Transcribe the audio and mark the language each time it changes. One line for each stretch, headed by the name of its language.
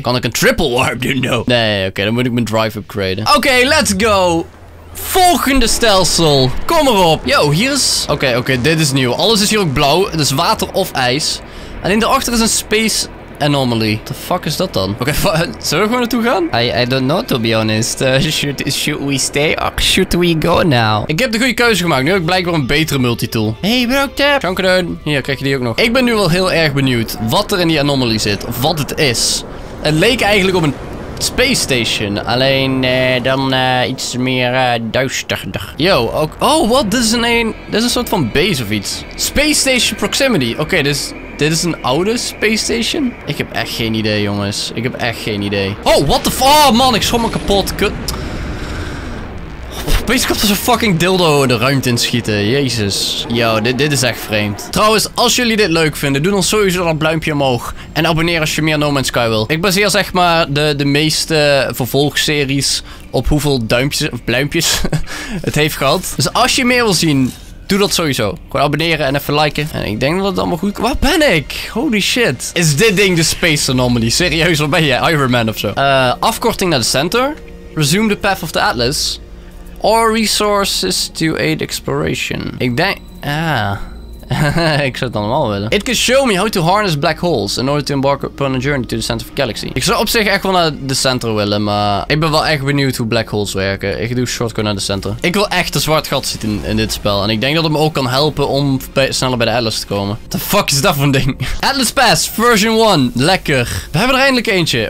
Dutch: Kan ik een triple warp doen?
English: No.
Dutch: Nee, oké, dan moet ik mijn drive upgraden. Oké,
English: let's go.
Dutch: Volgende stelsel. Kom erop. Yo, hier is... Oké, dit is nieuw. Alles is hier ook blauw. Het is water of ijs. Alleen daarachter is een space anomaly.
English: What the fuck
Dutch: is dat dan? Oké, zullen we gewoon naartoe gaan?
English: I don't know, to be honest. Should we stay or should we go now?
Dutch: Ik heb de goede keuze gemaakt. Nu heb ik blijkbaar een betere multitool. Hey, bedankt. Dankjewel. Hier, krijg je die ook nog. Ik ben nu wel heel erg benieuwd wat er in die anomaly zit. Of wat het is. Het leek eigenlijk op een... Space Station. Alleen dan iets meer duisterder. Yo, ook... Oh, wat? Dit is een soort van base of iets. Space Station Proximity. Oké, dit is een oude Space Station? Ik heb echt geen idee, jongens. Ik heb echt geen idee.
English: Oh, what the fuck?
Dutch: Oh, man, ik schrok me kapot. Kut. Opeens komt er zo'n fucking dildo de ruimte in schieten. Jezus. Yo, dit is echt vreemd. Trouwens, als jullie dit leuk vinden, doe dan sowieso dat pluimpje omhoog. En abonneer als je meer No Man's Sky wil. Ik baseer zeg maar de meeste vervolgseries op hoeveel duimpjes of pluimpjes het heeft gehad. Dus als je meer wil zien, doe dat sowieso. Gewoon abonneren en even liken. En ik denk dat het allemaal goed... Waar ben ik?
English: Holy shit.
Dutch: Is dit ding de Space Anomaly? Serieus, waar ben je? Iron Man of zo? Afkorting naar de center.
English: Resume the path of the Atlas. All resources to aid exploration.
Dutch: Ik denk... Ah. Ik zou het allemaal willen.
English: It can show me how to harness black holes in order to embark upon a journey to the center of the galaxy.
Dutch: Ik zou op zich echt wel naar de center willen, maar... Ik ben wel echt benieuwd hoe black holes werken. Ik doe shortcut naar de center. Ik wil echt een zwart gat zien in dit spel. En ik denk dat het me ook kan helpen om sneller bij de Atlas te komen.
English: What the fuck
Dutch: is dat voor een ding? Atlas Pass, version 1. Lekker. We hebben er eindelijk eentje.